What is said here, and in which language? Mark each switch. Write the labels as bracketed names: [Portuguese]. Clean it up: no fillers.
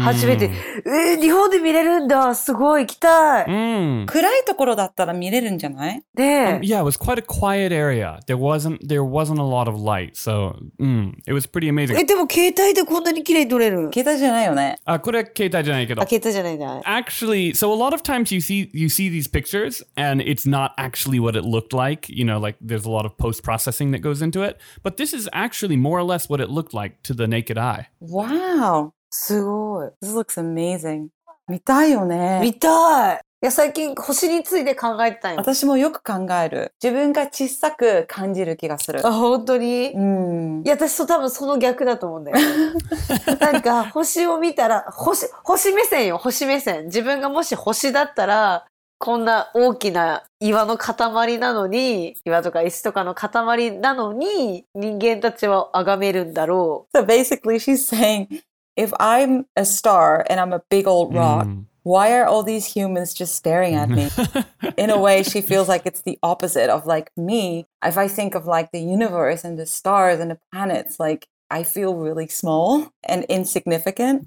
[Japanese] 初めて。日本で見れるんだ。すごい、行きたい。暗いところだったら見れるんじゃない？で、 [English] Yeah, it was quite a quiet area. There wasn't a lot of light, so, it was pretty amazing. [Japanese] でも携帯でこんなに綺麗に撮れる？携帯じゃないよね。あ、これは携帯じゃないけど。あ、携帯じゃないな。 [English] Actually, so a lot of times you see these pictures and it's notactually what it looked like, you know, like there's a lot of post-processing that goes into it, but this is actually more or less what it looked like to the naked eye. Wow, すごい。This looks amazing. [Japanese] 見たいよね。見たい。いや、最近星について考えてたよ。私もよく考える。自分が小さく感じる気がする。あ、本当に？いや、私と多分その逆だと思うんだよ。なんか星を見たら、星目線よ、星目線。自分がもし星だったら、こんな大きな岩の塊なのに、岩とか石とかの塊なのに、人間たちは崇めるんだろう。 [English] So basically she's saying, if I'm a star and I'm a big old rock, why are all these humans just staring at me? In a way, she feels like it's the opposite of like me. If I think of like the universe and the stars and the planets, like,I feel really small and insignificant.